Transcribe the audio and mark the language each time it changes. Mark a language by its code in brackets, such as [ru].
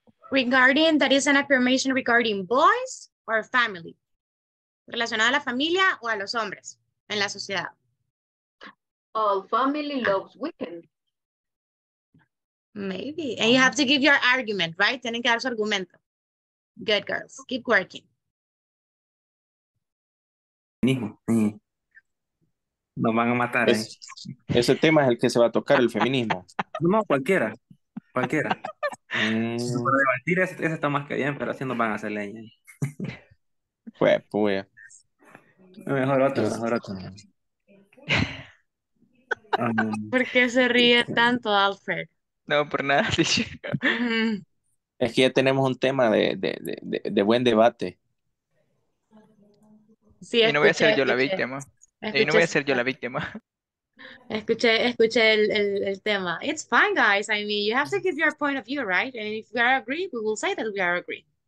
[en] Regarding, that is an affirmation regarding boys or family. [es] Relacionada a la familia o a los hombres en la sociedad. [en] All family loves weekends. Maybe. And you have to give your argument, right? [es] Tienen que dar su argumento. [en] Good girls. Keep working. [es] Nos van a matar. Es, ¿eh? Ese tema es el que se va a tocar, el feminismo. No, cualquiera. Cualquiera. Para debatir, ese está más que bien, pero así nos van a hacer leña. Pues, pues. Mejor otro, mejor otro. ¿Por qué se ríe tanto, Alfred? No, por nada. Es que ya tenemos un tema de buen debate. Sí, escuché, y no voy a ser yo la víctima. Escuché, y no voy a ser yo la víctima. Escuché el tema. [en] It's fine, guys. I mean, you have to give your point of view, right? And if we are agree, we will say that we are agree.